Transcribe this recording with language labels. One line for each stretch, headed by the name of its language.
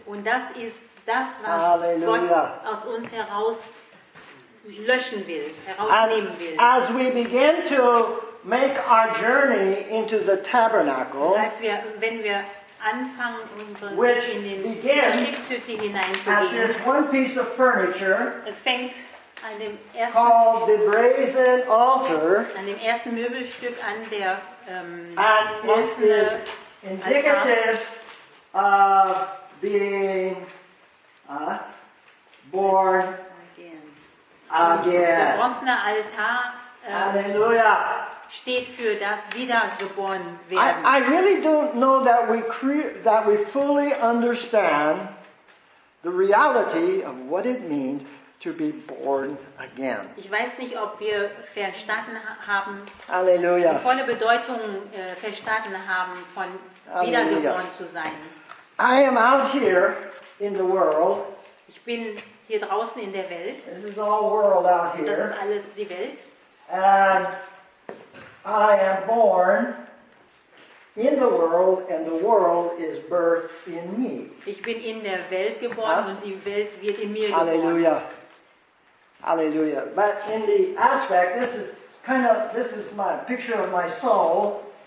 German: Und das ist das, was Halleluja. Gott aus uns heraus löschen will, herausnehmen will.
English: And as we begin to make our journey into the tabernacle,
German: wenn wir anfangen, unseren Weg in die Schiffshütte hineinzugehen,
English: one piece of furniture,
German: es fängt an dem ersten
English: called the brazen altar,
German: an dem ersten Möbelstück an der
English: and it is indicative of being born again.
German: Der bronzene Altar Halleluja. Steht für das Wiedergeboren werden.
English: I really don't know that we fully understand the reality of what it means to be born again.
German: Ich weiß nicht, ob wir verstanden haben, Halleluja. Die volle Bedeutung verstanden haben von wiedergeboren zu sein.
English: I am out here in the world.
German: Ich bin hier draußen in der Welt.
English: This is all world out here.
German: Das ist alles die Welt.
English: And I am born in the world, and the world is birthed in me.
German: Ich bin in der Welt geboren, huh? Und die Welt wird in mir geboren. Halleluja. Halleluja.
English: But in the aspect, this is my picture of my soul.